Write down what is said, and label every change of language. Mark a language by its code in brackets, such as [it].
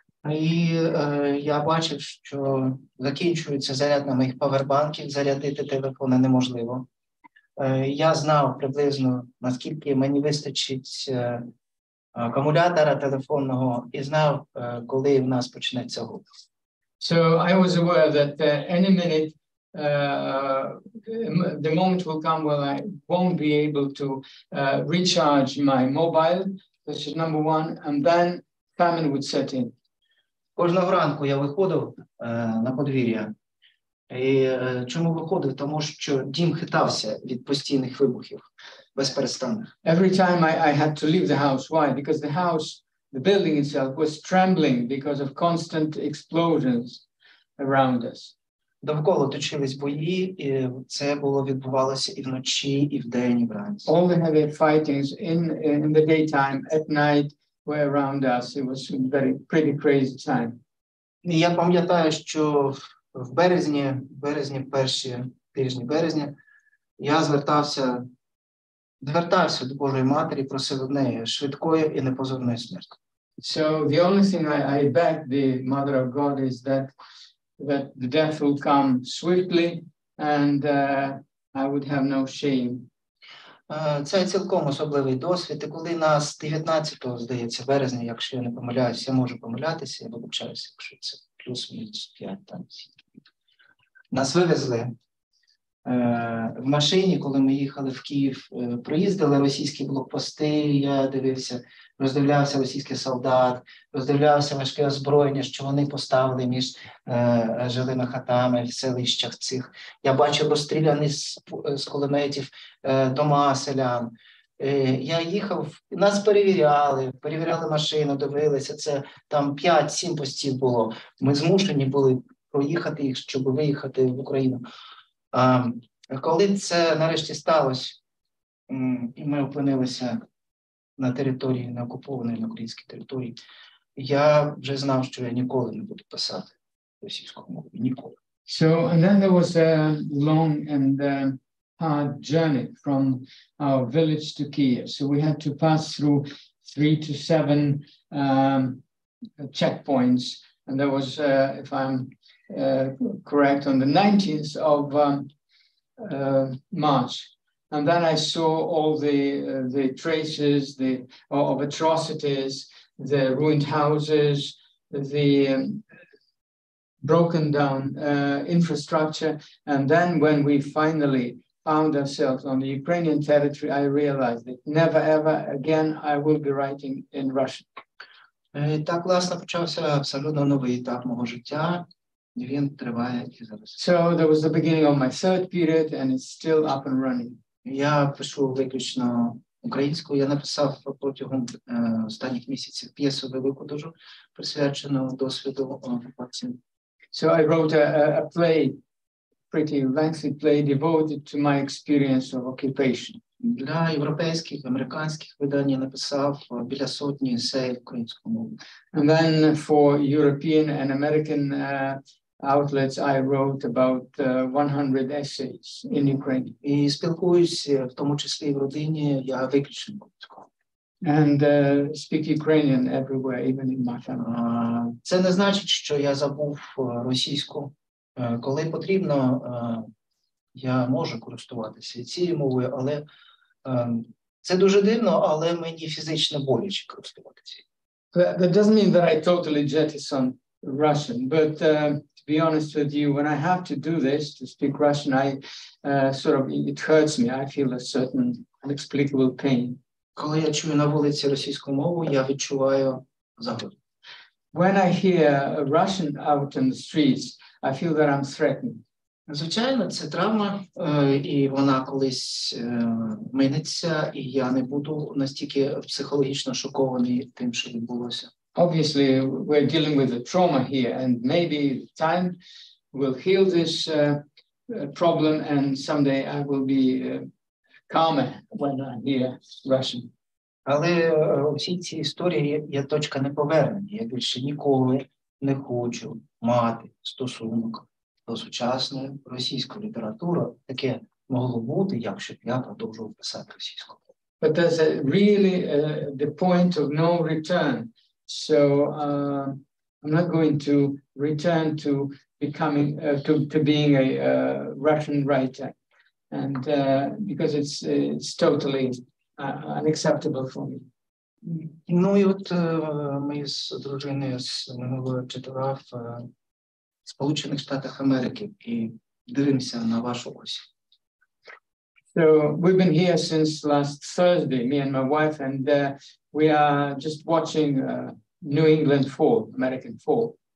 [uk] І я бачив, що закінчується заряд на моїх павербанків, зарядити телефони неможливо. Я знав приблизно, наскільки мені вистачить акумулятора телефонного, і знав, коли в нас почнеться гул. [en] So I was aware that any minute, the moment will come when I won't be able to recharge my mobile, this is number one, and then famine would set in. [uk] Кожного ранку я виходив на подвір'я. І чому виходив? Тому що дім хитався від постійних вибухів, безперестанних. [en] Every time I had to leave the house. Why? Because the house, the building itself was trembling because of constant explosions around us. [uk] Довкола точились бої, і це було відбувалося і вночі, і вдень, і вранці. [en] All the heavy fightings in the daytime, at night, were around us. It was a very pretty crazy time. [uk] І я пам'ятаю, що в березні, перші тижні березня, я звертався до Божої Матері, просив в неї швидкої і непозорної смерті. [en] So the only thing I beg the Mother of God is that the death will come swiftly and I would have no shame. [uk] Це цілком особливий досвід, і коли нас 19-го, здається, березня, якщо я не помиляюся, я можу помилятися, я вибачаюся, якщо це плюс-мінус 5 там. Нас вивезли в машині, коли ми їхали в Київ, проїздили російські блокпости, я дивився, роздивлявся російський солдат, роздивлявся важке озброєння, що вони поставили між жилими хатами в селищах цих. Я бачив розстріляні з кулеметів дома селян. Я їхав, нас перевіряли машину, дивилися, це там 5-7 постів було, ми змушені були проїхати їх, щоб виїхати в Україну. Коли це нарешті сталося, і ми опинилися на території, на окупованій на українській території, я вже знав, що я ніколи не буду писати російською мовою. Ніколи. [en] So, and then there was a long and hard journey from our village to Kiev. So we had to pass through 3 to 7 checkpoints. And there was, if I'm correct, on the 19th of March, and then I saw all the traces, the of atrocities, the ruined houses, the broken down infrastructure, and then when we finally found ourselves on the Ukrainian territory, I realized that never ever again I will be writing in Russian. [uk] Так, власне, почався абсолютно новий етап мого життя. Він триває і зараз. [en] So there was the beginning of my third period and it's still up and running. [uk] Я пишу виключно українською. Я написав протягом останніх місяців п'єсу велику дуже присвячену досвіду окупації. [en] So I wrote a play, pretty lengthy play devoted to my experience of occupation. [uk] Для європейських, американських видань я написав біля сотні есеїв в українську мову. [en] And then for European and American outlets, I wrote about 100 essays in Ukraine. [uk] І спілкуюся, в тому числі в родині, я виключно українською. [en] And speak Ukrainian everywhere, even in my family. [uk] Це не значить, що я забув російську. Коли потрібно, я можу користуватися цією мовою, але це дуже дивно, але мені фізично боляче користуватися. [en] That doesn't mean that I totally jettison Russian, but to be honest with you, when I have to do this, to speak Russian, I sort of, it hurts me, I feel a certain inexplicable pain. [uk] Коли я чую на вулиці російську мову, я відчуваю загрозу. [en] When I hear Russian out in the streets, I feel that I'm threatened. [uk] Звичайно, це травма, і вона колись минеться, і я не буду настільки психологічно шокований тим, що відбулося. [en] Obviously, we're dealing with a trauma here, and maybe time will heal this problem, and someday I will be calmer when I hear Russian. [uk] Але у всій цій історії є точка неповернення. Я більше ніколи не хочу мати стосунок до сучасної російської літератури. Таке могло бути, якщо б я продовжував писати російською. [en] But there's really the point of no return. So I'm not going to return to becoming to being a Russian writer, and because it's totally unacceptable for me. [uk] Ну і от ми з дружиною з минулого читала в Сполучених Штатах Америки і дивимося на вашу ось. [en] So we've been here since last Thursday, me and my wife, and we are just watching New England fall, American fall.